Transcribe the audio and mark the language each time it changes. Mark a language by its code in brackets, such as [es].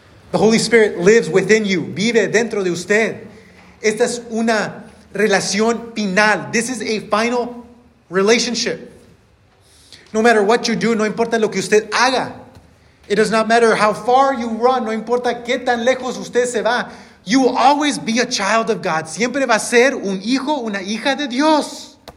[en] The Holy Spirit lives within you. [es] Vive dentro de usted. Esta es una relación final. [en] This is a final relationship. No matter what you do, [es] no importa lo que usted haga. [en] It does not matter how far you run. [es] No importa qué tan lejos usted se va. [en] You will always be a child of God. [es] Siempre va a ser un hijo, una hija de Dios.